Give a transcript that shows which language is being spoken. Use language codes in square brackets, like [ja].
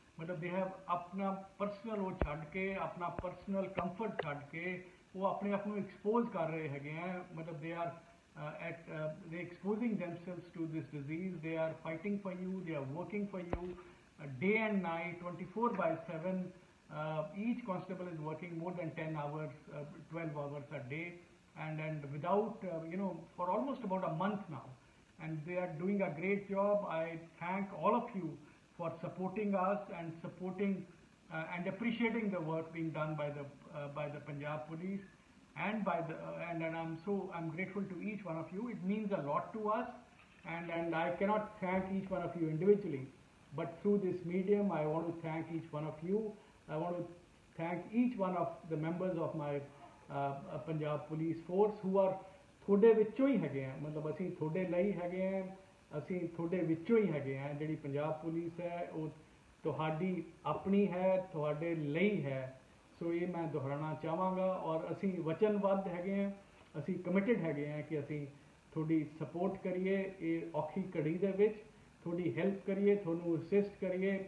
[pa] ਮਤਲਬ [en] they have [pa] ਆਪਣਾ personal ਉਹ ਛੱਡ ਕੇ, ਆਪਣਾ ਪਰਸਨਲ ਕੰਫਰਟ ਛੱਡ ਕੇ ਉਹ ਆਪਣੇ ਆਪ ਨੂੰ ਐਕਸਪੋਜ਼ ਕਰ ਰਹੇ ਹੈਗੇ ਹੈ। ਮਤਲਬ [en] They are at they exposing themselves to this disease, they are fighting for you, they are working for you day and night 24/7। Each constable is working more than 10 hours, 12 hours a day, and without, you know, for almost about a month now, and they are doing a great job. I thank all of you for supporting us and supporting and appreciating the work being done by the Punjab police and by the and I'm grateful to each one of you. It means a lot to us, and I cannot thank each one of you individually, but through this medium I want to thank each one of you. I want to thank each one of the members of my [pa] Punjab police force [en] who are [pa] ਤੁਹਾਡੇ ਵਿੱਚੋਂ ਹੀ ਹੈਗੇ ਹੈ, ਮਤਲਬ ਅਸੀਂ ਤੁਹਾਡੇ ਲਈ ਹੈਗੇ ਹੈ, ਅਸੀਂ ਤੁਹਾਡੇ ਵਿੱਚੋਂ ਹੀ ਹੈਗੇ ਹੈ। ਜਿਹੜੀ ਪੰਜਾਬ ਪੁਲਿਸ ਹੈ ਉਹ ਤੁਹਾਡੀ ਆਪਣੀ ਹੈ, ਤੁਹਾਡੇ ਲਈ ਹੈ। ਸੋ ਇਹ ਮੈਂ ਦੁਹਰਾਉਣਾ ਚਾਹਾਂਗਾ, ਔਰ ਅਸੀਂ ਵਚਨਬੱਧ ਹੈਗੇ ਹਾਂ, ਅਸੀਂ ਕਮਿਟਿਡ ਹੈਗੇ ਹਾਂ ਕਿ ਅਸੀਂ ਤੁਹਾਡੀ ਸਪੋਰਟ ਕਰੀਏ, ਇਹ ਔਖੀ ਘੜੀ ਦੇ ਵਿੱਚ ਤੁਹਾਡੀ ਹੈਲਪ ਕਰੀਏ, ਤੁਹਾਨੂੰ ਅਸਿਸਟ ਕਰੀਏ।